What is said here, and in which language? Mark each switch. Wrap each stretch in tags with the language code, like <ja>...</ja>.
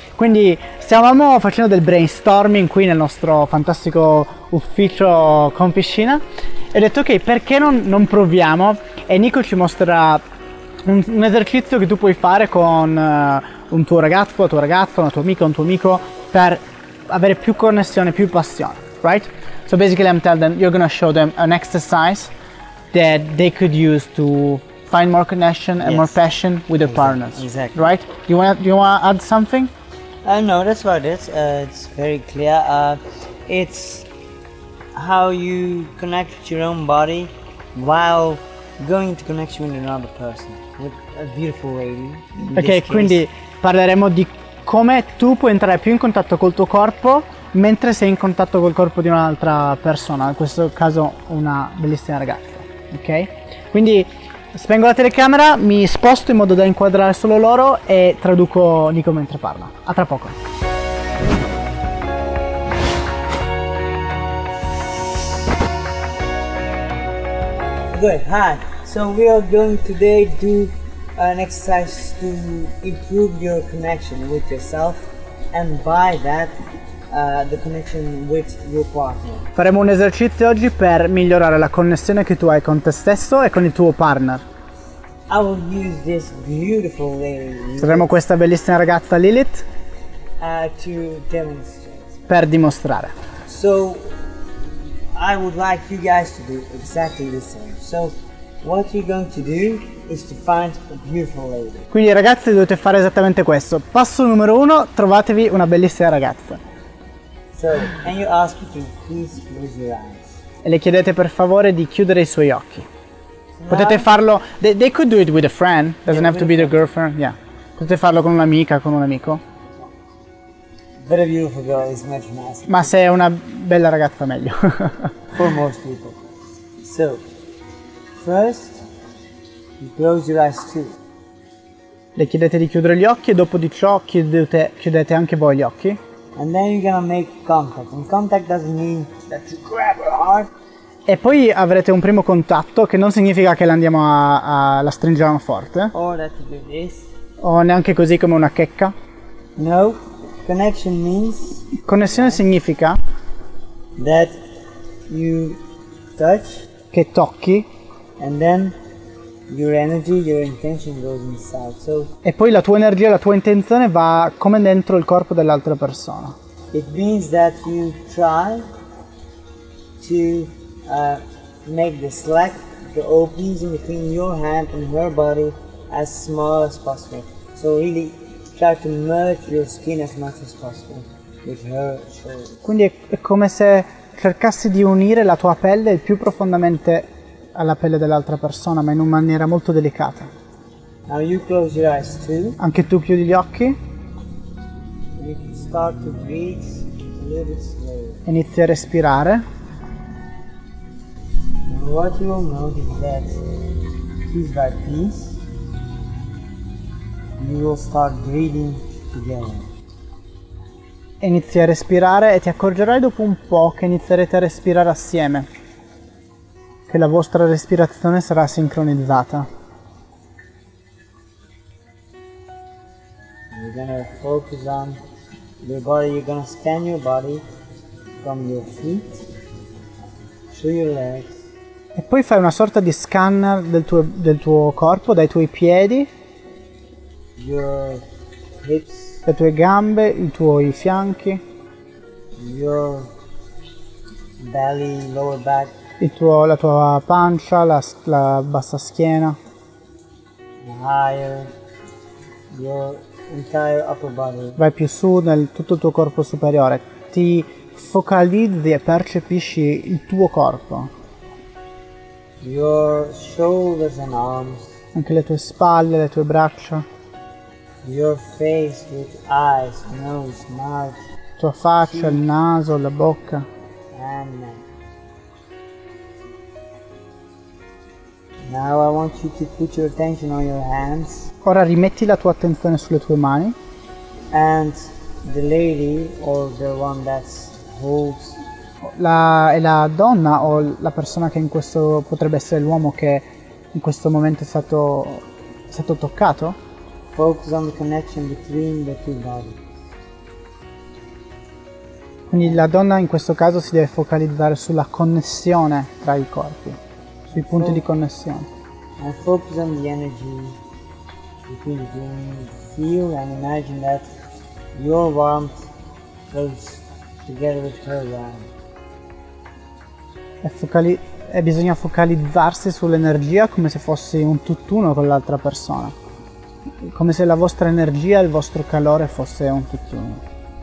<it>Quindi stavamo facendo del brainstorming qui nel nostro fantastico ufficio con piscina e ho detto ok, perché non proviamo, e Nico ci mostrerà un esercizio che tu puoi fare con un tuo ragazzo, la tua ragazza, una tua amica, un tuo amico, per avere più connessione, più passione,</it> <en>right? So basically I'm telling them, you're gonna show them an exercise that they could use to find more connection and yes. more passion with their exactly. partners, exactly. right? Do you wanna add something? No, that's about it. It's very clear. It's how you connect with your own body while going to connect you with another person, with a beautiful lady.</en> <it>Okay, quindi parleremo di come tu puoi entrare più in contatto col tuo corpo mentre sei in contatto col corpo di un'altra persona, in questo caso una bellissima ragazza, ok? Quindi spengo la telecamera, mi sposto in modo da inquadrare solo loro e traduco Nico mentre parla. A tra poco.</it> <en>Good, hi. So we are going today do an exercise to improve your connection with yourself and by that the connection with your partner.</en> <it>Faremo un esercizio oggi per migliorare la connessione che tu hai con te stesso e con il tuo partner.</it> <en>I will use this beautiful lady.</en> <it>Saremo questa bellissima ragazza Lilith</it> <en>to demonstrate.</en> <it>Per dimostrare.</it> <en>So I would like you guys to do exactly the same. So what you're going to do is to find a beautiful lady.</en> <it>Quindi ragazzi dovete fare esattamente questo. Passo numero uno, trovatevi una bellissima ragazza.</it> <en>So, and you ask her to please close your eyes.</en> <it>E le chiedete per favore di chiudere i suoi occhi. Potete farlo,</it> <en>they could do it with a friend, doesn't have to be their girlfriend, yeah.</en> <it>Potete farlo con un'amica, con un amico.</it> <en>But a beautiful girl is much nicer.</en> <it>Ma se è una bella ragazza meglio.</it> <en>For most people. So, first, you close your eyes too.</en> <it>Le chiedete di chiudere gli occhi e dopo di ciò chiudete anche voi gli occhi.</it> <en>And then you're gonna make contact. And contact doesn't mean that you grab her heart.</en> <it>E poi avrete un primo contatto che non significa che l'andiamo a la stringiamo forte.</it> <en>Or that you do this.</en> <it>O neanche così come una checca.</it> <en>No. Connection means.</en> <it>Connessione significa.</it> <en>That you touch.</en> <it>Che tocchi.</it> <en>And then your energy, your intention goes inside. So.</en> <it>E poi la tua energia, la tua intenzione va come dentro il corpo dell'altra persona.</it> <en>It means that you try to. Make the slack, the openings in between your hand and her body as small as possible. So really try to merge your skin as much as possible with her shoulder.</en> <it>Quindi è come se cercassi di unire la tua pelle il più profondamente alla pelle dell'altra persona, ma in una maniera molto delicata.</it> <en>Now you close your eyes too.</en> <it>Anche tu chiudi gli occhi.</it> <en>You can start to breathe a little bit slowly.</en> <it>Inizia a respirare.</it> <en>What you will note is that piece by piece you will start breathing together.</en> <it>Inizi a respirare e ti accorgerai dopo un po' che inizierete a respirare assieme, che la vostra respirazione sarà sincronizzata.</it> <en>You're gonna focus on your body, you're gonna scan your body from your feet through your legs.</en> <it>E poi fai una sorta di scanner del tuo corpo, dai tuoi piedi,</it> <en>your hips,</en> <it>le tue gambe, i tuoi fianchi,</it> <en>your belly, lower back,</en> <it>la tua pancia, la bassa schiena,</it> <en>higher, your entire upper body.</en> <it>Vai più su nel tutto il tuo corpo superiore. Ti focalizzi e percepisci il tuo corpo.</it> <en>Your shoulders and arms.</en> <it>Anche le tue spalle, le tue braccia.</it> <en>Your face with eyes, nose, mouth.</en> <it>Tua faccia, il naso, la bocca.</it> <en>Amen. Now I want you to put your attention on your hands.</en> <it>Ora rimetti la tua attenzione sulle tue mani.</it> <en>And the lady or the one that holds.</en> <it>La, è la donna o la persona che in questo potrebbe essere l'uomo che in questo momento è stato toccato?</it> <en>Focus on the connection between the two bodies.</en> <it>Quindi la donna in questo caso si deve focalizzare sulla connessione tra i corpi, sui punti di connessione.</it> <en>And focus on the energy between the feel and imagine that your warmth goes together with her warmth.</en> <it>E bisogna focalizzarsi sull'energia come se fossi un tutt'uno con l'altra persona. Come se la vostra energia e il vostro calore fosse un tutt'uno.</it>